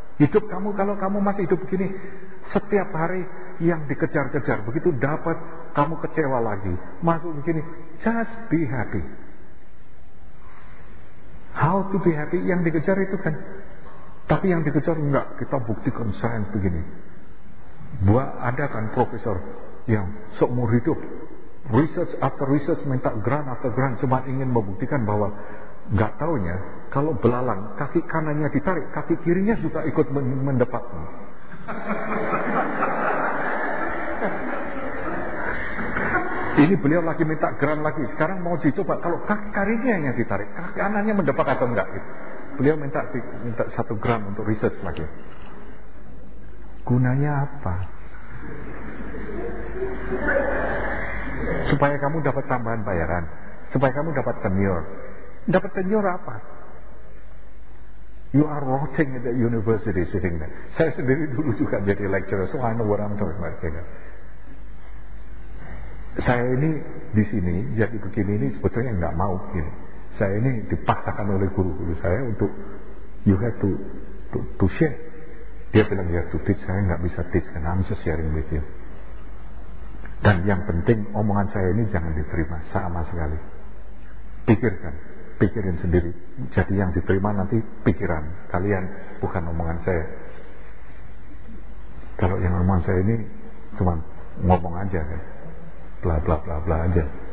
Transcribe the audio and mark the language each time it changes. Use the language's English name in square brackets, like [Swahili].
[Indonesian] Hidup kamu, kalau kamu masih hidup begini, setiap hari yang dikejar-kejar, begitu dapat, kamu kecewa lagi. Masuk begini, [English] just be happy. How to be happy? [Indonesian] Yang dikejar itu kan. Tapi yang dikejar enggak, kita buktikan sains begini. Buat ada kan profesor yang seumur hidup, [English] research after research, [Indonesian] minta [English] grant after grant, [Indonesian] cuma ingin membuktikan bahwa gak taunya, kalau belalang kaki kanannya ditarik, kaki kirinya juga ikut mendepak. Ini beliau lagi minta geran lagi. Sekarang mau dicoba kalau kaki kirinya yang ditarik, kaki kanannya mendapat atau enggak. Beliau minta 1 gram untuk research lagi. Gunanya apa? Supaya kamu dapat tambahan bayaran, supaya kamu dapat tenure. Dapat tenure apa? [English] You are rotting at the university sitting there. [Indonesian] Saya sendiri dulu juga jadi [English] lecturer, so I know what I'm talking about. [Indonesian] Saya ini di sini jadi begini ini sebetulnya enggak mau gini. Saya ini dipaksakan oleh guru-guru saya untuk [English] you have to share. [Indonesian] Dia bilang ya [English] to teach, [Indonesian] saya enggak bisa teach karena [English] I'm just sharing with you. [Indonesian] Dan yang penting omongan saya ini jangan diterima sama sekali. Pikirkan, pikirin sendiri. Jadi yang diterima nanti pikiran kalian, bukan omongan saya. Kalau yang omongan saya ini cuma ngomong aja kan, bla bla bla bla aja.